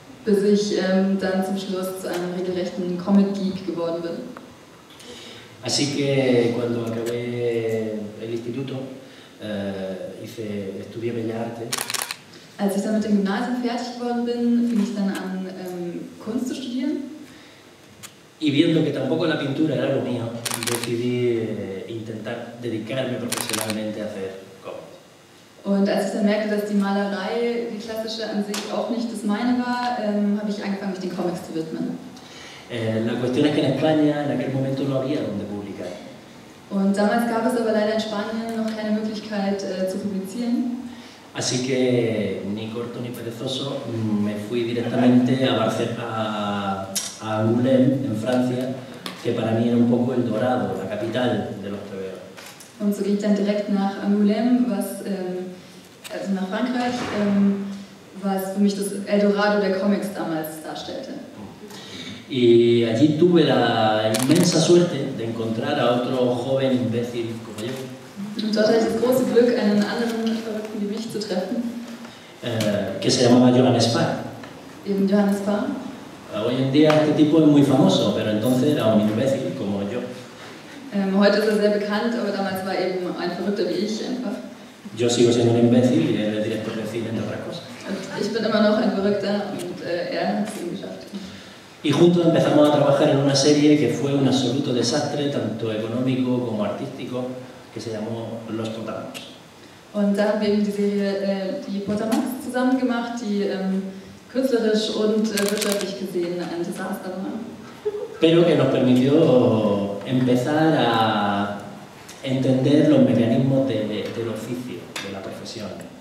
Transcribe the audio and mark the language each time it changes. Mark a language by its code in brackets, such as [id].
[de] Bis ich dann zum Schluss zu einem regelrechten Comic-Geek geworden bin. [es] Así que cuando acabé el instituto, hice, estudié Bellas Artes. [de] Als ich dann mit dem Gymnasium fertig geworden bin, fing ich dann an, Kunst zu studieren. [es] Y viendo que tampoco la pintura era lo mío, decidí intentar dedicarme profesionalmente a hacer cómics. [de] Und als ich dann merkte, dass die Malerei, die klassische an sich, auch nicht das meine war, habe ich angefangen, mich den Comics zu widmen. [es] La cuestión es que en España en aquel momento no había donde publicar. [de] Und damals gab es aber leider in Spanien noch keine Möglichkeit zu publizieren. [es] Así que ni corto ni perezoso me fui directamente a Barcelona, a Angoulême en Francia, que para mí era un poco el dorado, la capital de los Trevero. [de] Und so ging ich dann direkt nach Angoulême, was also nach Frankreich, was für mich das Eldorado der Comics damals darstellte. [es] Y allí tuve la inmensa suerte de encontrar a otro joven imbécil como yo. [de] Und dort hatte ich das große Glück, einen anderen Verrückten wie mich zu treffen. [es] Que se llamaba Johannes Spahn. [de] Eben Johannes Spahn. [es] Hoy en día este tipo es muy famoso, pero entonces era un imbécil como yo. [de] Heute ist er sehr bekannt, aber damals war eben ein Verrückter wie ich einfach. [es] Yo sigo siendo un imbécil y él es director de cine, entre otras cosas. [de] Ich bin immer noch ein Verrückter und er hat es eben geschafft. [es] Y juntos empezamos a trabajar en una serie que fue un absoluto desastre, tanto económico como artístico, que se llamó Los Potamos. [de] Und da haben wir eben die Serie die Potamos zusammen gemacht, die künstlerisch und wirtschaftlich gesehen ein Desaster war. [es] Pero que nos permitió empezar a entender los mecanismos del oficio, de la profesión.